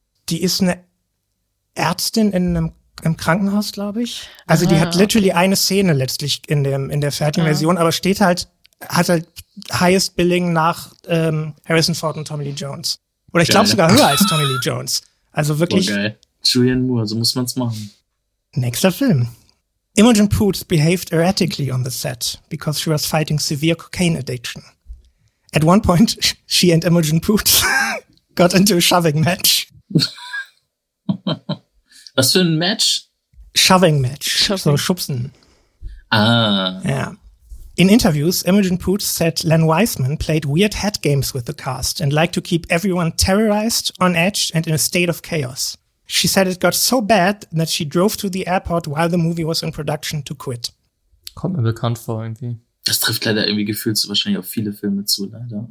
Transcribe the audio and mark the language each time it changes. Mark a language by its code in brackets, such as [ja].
[de] Die ist eine Ärztin in einem im Krankenhaus, glaube ich. Also aha, die hat literally okay. eine Szene letztlich in der fertigen ja. Version, aber steht halt, hat halt [en] highest billing [de] nach Harrison Ford und Tommy Lee Jones. Oder ich glaube sogar höher als Tommy Lee Jones. Also wirklich. Boah, geil. Julianne Moore, so muss man es machen. Nächster Film. [en] Imogen Poots behaved erratically on the set because she was fighting severe cocaine addiction. At one point, she and Imogen Poots got into a shoving match. [de] Was für ein Match? [en] Shoving Match. Shoving. [de] So Schubsen. Ah. Ja. [en] In interviews, Imogen Poots said Len Wiseman played weird head games with the cast and liked to keep everyone terrorized, on edge and in a state of chaos. She said it got so bad that she drove to the airport while the movie was in production to quit. [de] Kommt mir bekannt vor irgendwie. Das trifft leider irgendwie gefühlt so wahrscheinlich auf viele Filme zu, leider.